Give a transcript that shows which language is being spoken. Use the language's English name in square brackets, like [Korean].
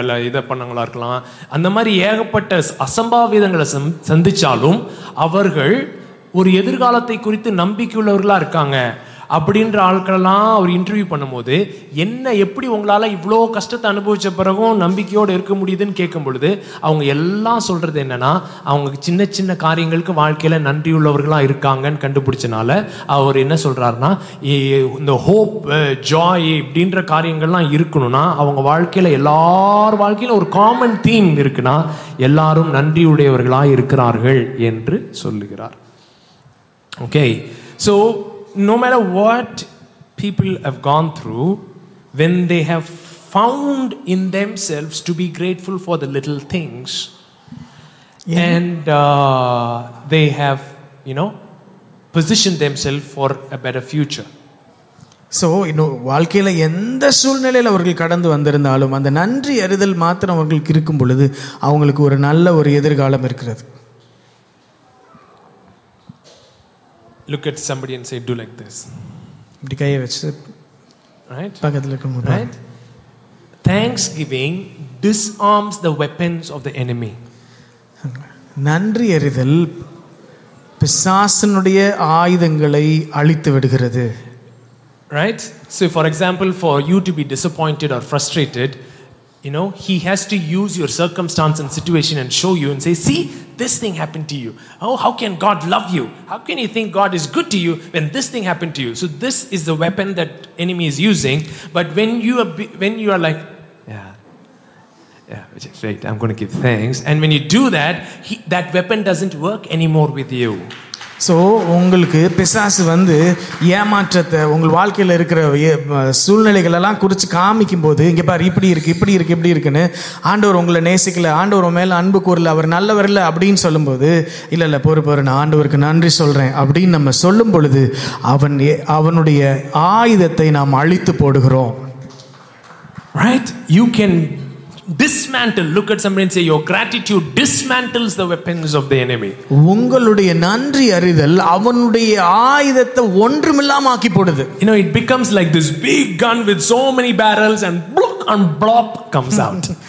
[Tamil] இதை பண்ணவங்களா இருக்கலாம், அந்த மாதிரி ஏகப்பட்ட அசம்பாவிதங்களை சந்திச்சாலும் அவர்கள் ஒரு எதிர்காலத்தை குறித்து நம்பிக்கையுள்ளவர்களா இருக்காங்க அப்படின்ற ஆட்களெல்லாம் அவர் இன்டர்வியூ பண்ணும்போது, என்ன எப்படி உங்களால் இவ்வளோ கஷ்டத்தை அனுபவித்த பிறகும் நம்பிக்கையோடு இருக்க முடியுதுன்னு கேட்கும் பொழுது அவங்க எல்லாம் சொல்கிறது என்னென்னா, அவங்க சின்ன சின்ன காரியங்களுக்கு வாழ்க்கையில் நன்றியுள்ளவர்களாக இருக்காங்கன்னு கண்டுபிடிச்சனால அவர் என்ன சொல்கிறாருன்னா, இந்த ஹோப் ஜாய் இப்படின்ற காரியங்கள்லாம் இருக்கணும்னா அவங்க வாழ்க்கையில் எல்லார் வாழ்க்கையிலும் ஒரு காமன் தீம் இருக்குன்னா எல்லாரும் நன்றியுடையவர்களாக இருக்கிறார்கள் என்று சொல்லுகிறார். [English] Okay, so no matter what people have gone through, when they have found in themselves to be grateful for the little things, yeah, and they have, you know, positioned themselves for a better future. So, you know, [Tamil] வாழ்க்கையில எந்த சூழ்நிலையில அவர்கள் கடந்து வந்திருந்தாலும் அந்த நன்றி அறிதல் மாத்திரம் அவர்களுக்கு இருக்கும் பொழுது அவங்களுக்கு ஒரு நல்ல ஒரு எதிர்காலம் இருக்கிறது. [English] Look at somebody and say, do like this. Right? Right? Thanksgiving disarms the weapons of the enemy. [Tamil] நன்றி அறிதல் பிசாசனுடைய ஆயுதங்களை அழித்து விடுகிறது. [English] Right? So for example, for you to be disappointed or frustrated, you know, he has to use your circumstance and situation and show you and say, see, this thing happened to you. Oh, how can God love you? How can you think God is good to you when this thing happened to you? So this is the weapon that enemy is using. But when you are like, yeah, great, I'm going to give thanks. And when you do that, that weapon doesn't work anymore with you. [Tamil] So உங்களுக்கு பிசாசு வந்து ஏமாற்றத்தை உங்கள் வாழ்க்கையில் இருக்கிற சூழ்நிலைகளெல்லாம் குறித்து காமிக்கும்போது, இங்கே பாரு இப்படி இருக்குது, இப்படி இருக்குது, இப்படி இருக்குன்னு ஆண்டவர் உங்களை நேசிக்கலை, ஆண்டவர் மேலே அன்பு கூறலை, அவர் நல்லவர் இல்லை அப்படின்னு சொல்லும்போது, இல்லை இல்லை பொறு பொறு நான் ஆண்டவருக்கு நன்றி சொல்கிறேன் அப்படின்னு நம்ம சொல்லும் பொழுது அவனுடைய ஆயுதத்தை நாம் அழித்து போடுகிறோம். [English] Right? You can... this dismantle. Look at somebody and say, your gratitude dismantles the weapons of the enemy. [Tamil] உங்களுடைய நன்றி அறிதல் அவனுடைய ஆயுதத்தை ஒன்றுமில்லாமாக்கி போடுது. [English] You know, it becomes like this big gun with so many barrels and blop and blop comes out.